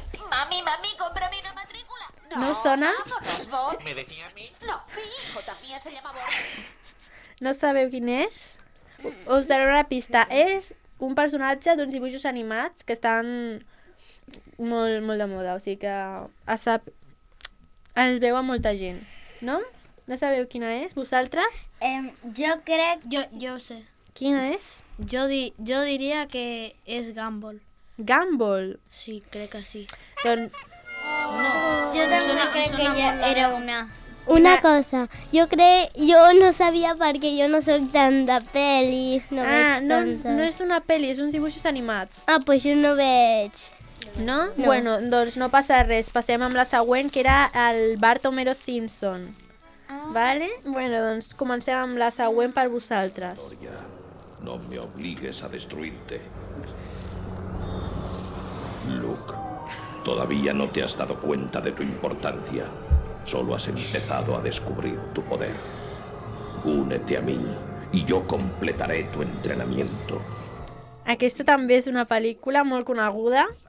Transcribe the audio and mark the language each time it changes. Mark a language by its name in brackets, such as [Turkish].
[Spanish] Mami, cómprame una matrícula. [Catalan] No, no sona? [Spanish] Vámonos, Bort. Me decía a mí. No, mi hijo también se llama Bort. [Catalan] No sabeu quin és? Us daré una pista. És un personatge d'uns dibuixos animats que estan... molt, molt de moda, o sigui que es veu a molta gent, no? No sabeu quina és? Vosaltres? Jo crec... Jo ho sé. Quina és? Jo diria que és Gumball. Gumball? Sí, crec que sí. Doncs... No. Jo també no, crec que ella era una... Una cosa, jo no sabia perquè jo no sóc tant de pel·li, no veig tanta. No és una pel·li, és uns dibuixos animats. Ah, doncs pues jo no veig... No? No? Bueno, doncs no passa res. Passem amb la següent, que era el Bart Homero Simpson. Ah. Vale? Bueno, doncs comencem amb la següent per vosaltres. [Spanish] No me obligues a destruirte. Luke, todavía no te has dado cuenta de tu importancia. Solo has empezado a descubrir tu poder. Únete a mí y yo completaré tu entrenamiento. [Catalan] Aquesta també és una pel·lícula molt coneguda.